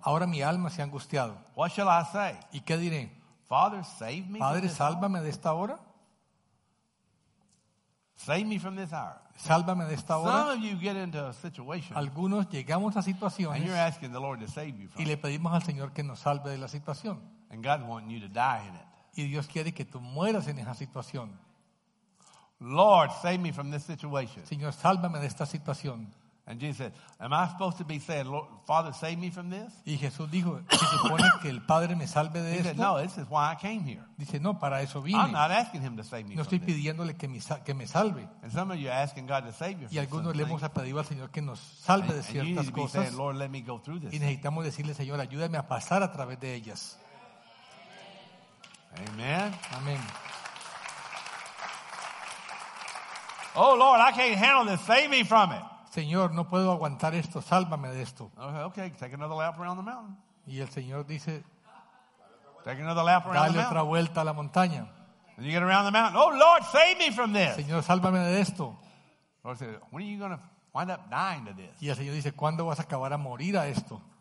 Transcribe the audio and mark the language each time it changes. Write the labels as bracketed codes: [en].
[es] Ahora mi alma se ha angustiado. [en] What shall I say? [es] ¿Y qué diré? [en] Father, save me. [es] Padre, sálvame de esta hora. [en] Save me from this hour. [es] Sálvame de esta hora. [en] Some of you get into a situation. [es] Algunos llegamos a situaciones. [en] And you're asking the Lord to save you from. [es] Y le pedimos al Señor que nos salve de la situación. [en] And God wants you to die in it. [es] Y Dios quiere que tú mueras en esa situación. [en] Lord, save me from this situation. [es] Señor, sálvame de esta situación. [en] And Jesus said, "Am I supposed to be saying, Lord, Father, save me from this?" [es] Y Jesús dijo, ¿se supone que el Padre me salve de [en] He [es] esto? [en] Said, "No, this is why I came here." [es] Dice, no, para eso vine. [en] I'm not asking Him to save me. [es] No estoy pidiéndole que me salve. [en] And some of you are asking God to save you. [es] Y algunos le hemos pedido al Señor que nos salve de ciertas cosas. [en] And you need to be saying, "Lord, let me go through this." [es] Y necesitamos decirle, Señor, ayúdame a pasar a través de ellas. [en] Amen. [es] Amen. [en] Oh Lord, I can't handle this. Save me from it. [es] Señor, no puedo aguantar esto, sálvame de esto. [en] Okay, take another lap around the mountain. [es] Y el Señor dice, [en] take another lap around the [es] otra vuelta a la montaña. [en] And you get around the mountain. Oh Lord, save me from this. [es] Señor, sálvame de esto. [en] Lord says, when are you going to wind up dying to this? [es] Y el Señor dice, ¿cuándo vas a acabar a morir a esto?